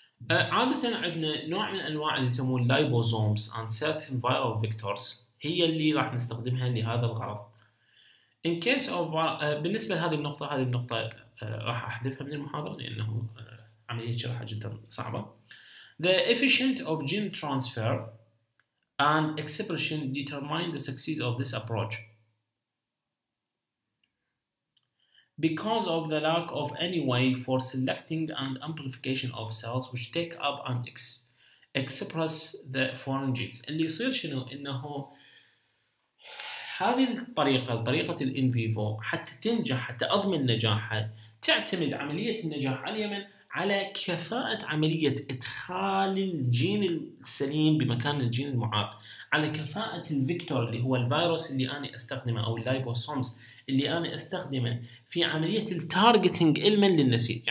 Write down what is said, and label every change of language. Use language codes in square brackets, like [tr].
[ar] عاده عندنا نوع من انواع اللي يسمون لايبوزومز ان سيرتن فايرال فيكتورز، هي اللي راح نستخدمها لهذا الغرض. ان كيس اوف بالنسبه لهذه النقطه، هذه النقطه راح احذفها من المحاضره لانه عمليه شرحها جدا صعبه. [en] The efficient of gene transfer and expression determine the success of this approach because of the lack of any way for selecting and amplification of cells which take up and express the foreign genes. [ar] اللي يصير شنو انه هذه الطريقة، طريقة الانفيفو حتى تنجح، حتى اضمن نجاحها، تعتمد عملية النجاح على اليمن على كفاءة عملية ادخال الجين السليم بمكان الجين المعاق، على كفاءة الفيكتور اللي هو الفيروس اللي انا استخدمه او اللايبوسومز اللي انا استخدمه في عملية التارجتنج المن للنسيج.